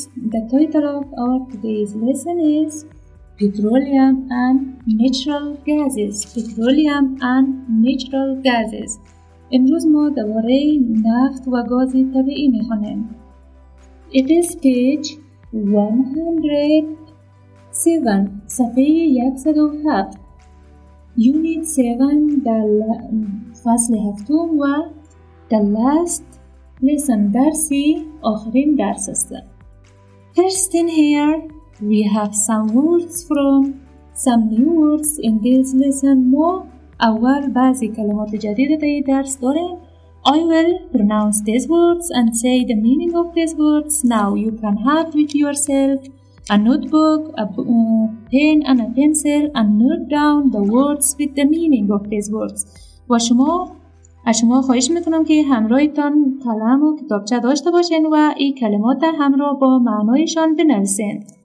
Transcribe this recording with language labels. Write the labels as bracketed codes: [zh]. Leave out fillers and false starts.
[en] The title of our today's lesson is Petroleum and Natural Gases. Petroleum and Natural Gases. [fa] امروز ما درباره نفت و گاز طبیعی میخوانیم. [en] It is page 107. [fa] صفحه 107. Unit 7 در فصل هفتم و [en] the last lesson [fa] درسی آخرین درس است. [en] First in here, we have some words from some new words in this lesson. ما اول بعضی کلمات جدید در درس داریم. I will pronounce these words and say the meaning of these words. Now you can have with yourself a notebook, a pen and a pencil and note down the words with the meaning of these words. [fa] و شما از شما خواهش میکنم که همراهتان قلم و کتابچه داشته باشین و این کلمات همراه با معنایشان بنویسین.